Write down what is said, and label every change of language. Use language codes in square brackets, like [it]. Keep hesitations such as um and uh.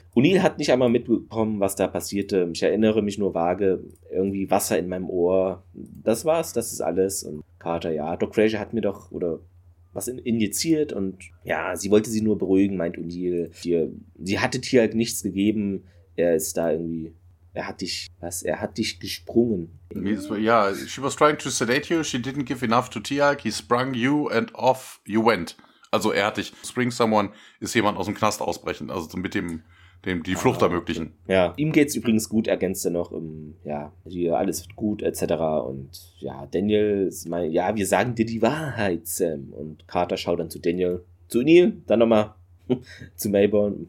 [de] O'Neill hat nicht einmal mitbekommen, was da passierte. Ich erinnere mich nur vage, irgendwie Wasser in meinem Ohr. Das war's, das ist alles. Und Carter, ja, Doc Frazier hat mir doch, oder was in, injiziert und ja, sie wollte sie nur beruhigen, meint O'Neill. Dir- Sie hatte dir halt nichts gegeben. Er ist da irgendwie, er hat dich, was, er hat dich gesprungen. [en] Yeah, she was trying to sedate you, she didn't give enough to Tiag, he sprung you and off you went. [de] Also er hat dich, [en] spring someone, [de] ist jemand aus dem Knast ausbrechen, also mit dem, dem die Flucht Ah. ermöglichen. Ja, ihm geht's übrigens gut, ergänzt er noch, ähm, ja, hier alles wird gut, etc. Und ja, Daniel, ist mein, ja, wir sagen dir die Wahrheit, Sam. Und Carter schaut dann zu Daniel, zu Neil, dann nochmal zu Mayborn.